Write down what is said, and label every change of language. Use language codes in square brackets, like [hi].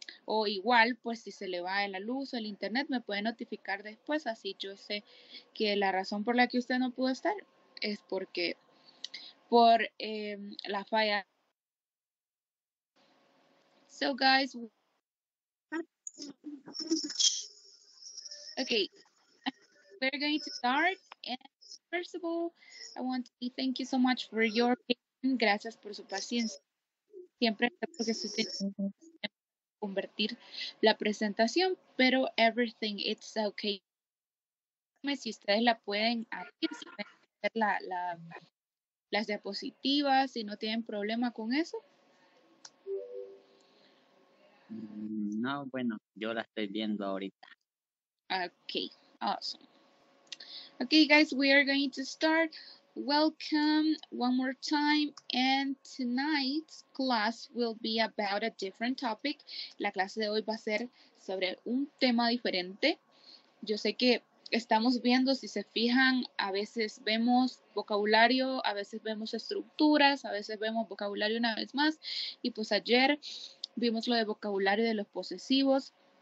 [es] O igual, pues si se le va la luz o el internet, me pueden notificar después, así yo sé que la razón por la que usted no pudo estar es porque por la falla. [en] So guys, okay, we're going to start, and first of all, I want to thank you so much for your patience. [es] Gracias por su paciencia. Siempre creo que estoy teniendo convertir la presentación, pero [en] everything, it's okay. [es] Si ustedes la pueden abrir, si pueden ver las diapositivas, si no tienen problema con eso. No, bueno, yo la estoy viendo ahorita. [en] Okay, awesome. Okay, guys, we are going to start. Welcome one more time. And tonight's class will be about a different topic. [es] La clase de hoy va a ser sobre un tema diferente. Yo sé que estamos viendo, si se fijan, a veces vemos vocabulario, a veces vemos estructuras, a veces vemos vocabulario una vez más. Y pues ayer vimos lo de vocabulario de los posesivos.